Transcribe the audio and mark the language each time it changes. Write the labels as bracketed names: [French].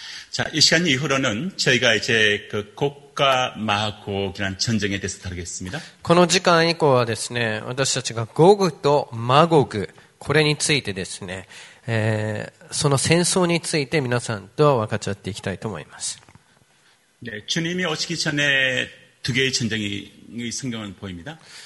[Korean] 자, 이 시간 이후로는 저희가 이제 그 곡과 마곡이라는 전쟁에 대해서 다루겠습니다. [Japanese] この時間以降はですね、私たちがゴグとマゴグ、これについてですね、 その戦争について皆さんと分かち合っていきたいと思います。 [Korean] 네, 주님이 오시기 전에 두 개의 전쟁이 성경은 보입니다.